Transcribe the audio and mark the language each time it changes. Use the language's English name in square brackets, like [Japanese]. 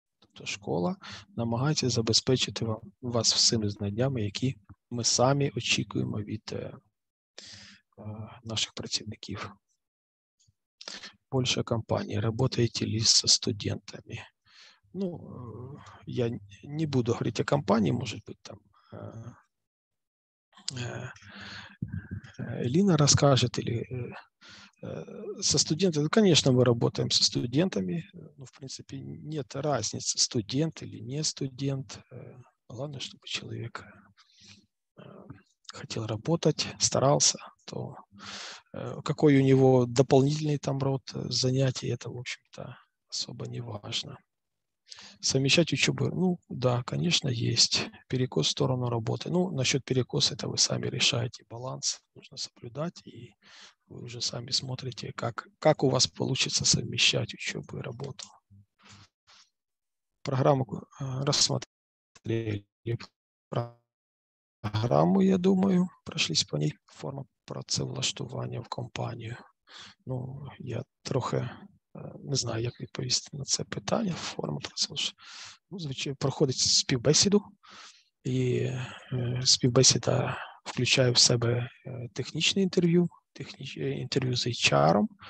[Ukrainian] Тобто школа намагається забезпечити вас всіми знаннями, які ми самі очікуємо від наших працівників. Більша компанія, працюєте ли зі студентами? Ну, я не буду говорити о компанії, може бути там [Russian] Элина расскажет или со студентами. Конечно, мы работаем со студентами. Но, в принципе, нет разницы, студент или не студент. Главное, чтобы человек хотел работать, старался, то какой у него дополнительный там род занятий, это, в общем-то, особо не важно. Совмещать учебу, ну, да, конечно, есть перекос в сторону работы. Ну, насчет перекоса, это вы сами решаете, баланс нужно соблюдать, и вы уже сами смотрите, как у вас получится совмещать учебу и работу. Программу рассмотрели. Программу, я думаю, прошлись по ней. [Ukrainian] Форма працевлаштування в компанию. Ну, я трохи не знаю, як відповісти на це питання. Форма працевлаштування. Ну, звичайно, проходить співбесіду. І співбесіда включає в себе технічне інтерв'ю, інтерв'ю з HR.